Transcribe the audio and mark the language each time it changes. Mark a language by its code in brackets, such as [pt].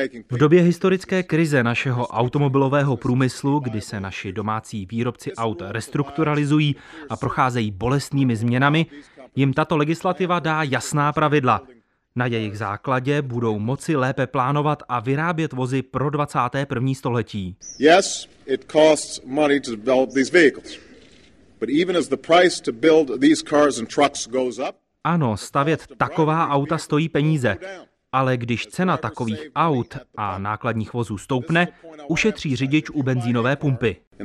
[cs] V době historické krize našeho automobilového průmyslu, kdy se naši domácí výrobci aut restrukturalizují a procházejí bolestnými změnami, jim tato legislativa dá jasná pravidla. Na jejich základě budou moci lépe plánovat a vyrábět vozy pro 21. století. [en] Yes, it costs money to develop these vehicles. But even as the price to build these cars and trucks goes up, [cs] ano, stavět taková auta stojí peníze, ale když cena takových aut a nákladních vozů stoupne, ušetří řidič u benzínové pumpy.